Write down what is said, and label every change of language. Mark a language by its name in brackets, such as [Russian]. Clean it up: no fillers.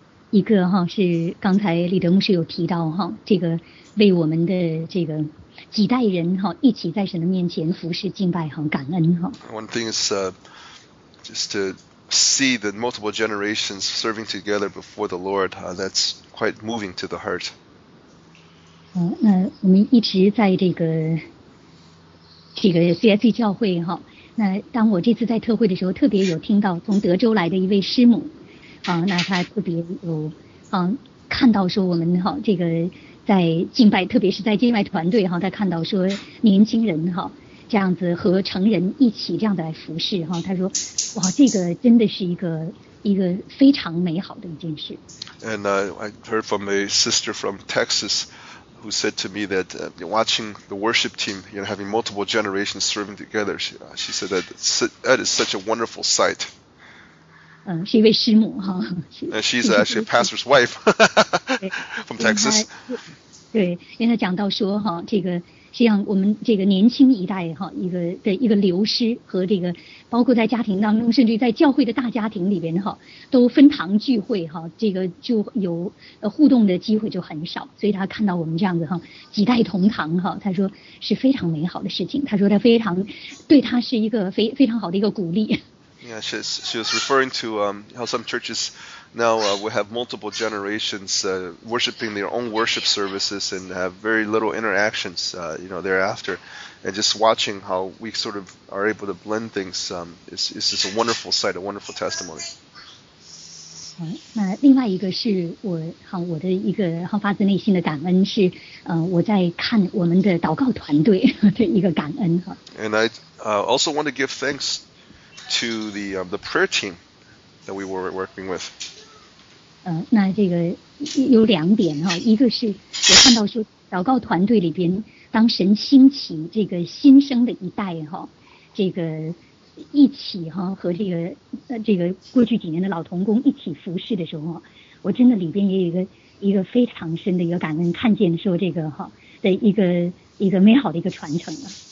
[Chinese] 一个哈是刚才李德牧师有提到哈，这个为我们的这个几代人哈一起在神的面前服事敬拜哈感恩哈。 [English] One thing is just to see the multiple generations serving together before the Lord, that's quite moving to the heart. [Chinese] 那我们一直在这个 CIC 教会哈。那当我这次在特会的时候，特别有听到从德州来的一位师母，那他特别有看到说我们哈这个在敬拜，特别是在敬拜团队哈，他看到说年轻人哈这样子和成人一起这样的来服侍哈，他说哇，这个真的是一个非常美好的一件事。 [English] And I heard from a sister from Texas. Who said to me that watching the worship team, you know, having multiple generations serving together, she said that is such a wonderful sight. And she's actually a pastor's wife from Texas. [Chinese] 对，因为他讲到说哈，这个实际上我们这个年轻一代哈，一个流失和这个包括在家庭当中，甚至在教会的大家庭里边哈，都分堂聚会哈，这个就有互动的机会就很少，所以他看到我们这样子哈，几代同堂哈，他说是非常美好的事情，他说他非常对他是一个非常好的一个鼓励。 [English] Yeah, she was referring to how some churches now we have multiple generations worshiping their own worship services and have very little interactions, you know, thereafter. And just watching how we sort of are able to blend things is just a wonderful sight, a wonderful testimony. [Chinese] 那另外一个是我的一个发自内心的感恩是我在看我们的祷告团队的一个感恩。 [English] And I also want to give thanks. To the prayer team that we were working with. [Chinese] 那这个有两点哈，一个是我看到说祷告团队里边，当神兴起这个新生的一代哈，这个一起哈和这个过去几年的老同工一起服事的时候，我真的里边也有一个非常深的一个感恩，看见说这个哈的一个美好的一个传承了。